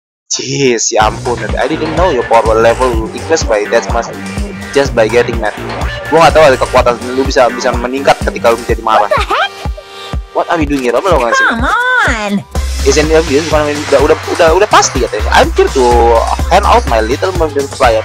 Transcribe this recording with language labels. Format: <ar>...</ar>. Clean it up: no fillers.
<en>Jeez,</en> <id>ya ampun,</id> <en>I didn't know your power level increase by that much just by getting mad.</en> <id>Gua gak tahu ada kekuatan lu bisa meningkat ketika lu menjadi marah.</id> <en>What the heck? What are we doing here? Come on! Isn't it obvious?</en> <id>Bukan, udah pasti katanya.</id> <en>I'm here to hand out my little mermaid flyer.</en>